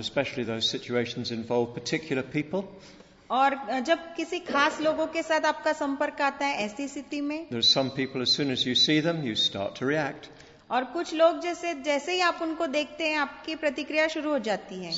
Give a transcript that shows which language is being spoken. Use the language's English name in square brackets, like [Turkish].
[English] And especially those situations involve particular people. [Hindi] और जब किसी खास लोगों के साथ आपका संपर्क आता है ऐसी स्थिति में. [English] There are some people as soon as you see them you start to react. [Hindi] और कुछ लोग जैसे ही आप उनको देखते हैं आपकी प्रतिक्रिया शुरू हो जाती है.